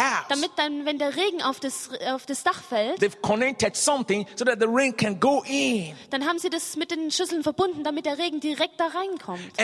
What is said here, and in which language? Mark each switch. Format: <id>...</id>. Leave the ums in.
<de>damit dann, wenn der Regen auf das, auf das Dach fällt,</de> <en>so that the rain can go in.</en> <de>dann haben sie das mit den Schüsseln verbunden, damit der Regen direkt da reinkommt.</de>